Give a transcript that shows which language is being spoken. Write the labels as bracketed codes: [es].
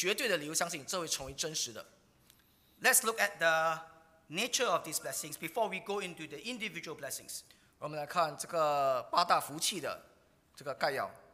[zh] 所以当耶稣说受委屈的有福了，我们有绝对的理由相信这会成为真实的。 [en] Let's look at the nature of these blessings before we go into the individual blessings. [zh] 我们来看这个八大福气的这个概要。